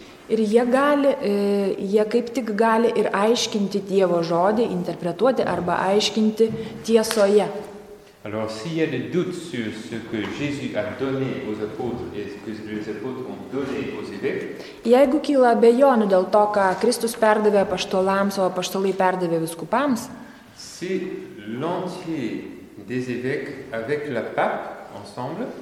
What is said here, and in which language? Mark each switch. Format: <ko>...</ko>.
<lt>Ir jie gali, jie kaip tik gali ir aiškinti Dievo žodį, interpretuoti arba aiškinti tiesoje.</lt> <fr>Alors, s'il y a des doutes sur ce que Jésus a donné aux apôtres et ce que les apôtres ont donné aux évêques,</fr> <lt>jeigu kyla abejonių dėl to, ką Kristus perdavė apaštalams, o apaštalai perdavė vyskupams,</lt> <fr>si l'entier des évêques avec la pape ensemble,</fr>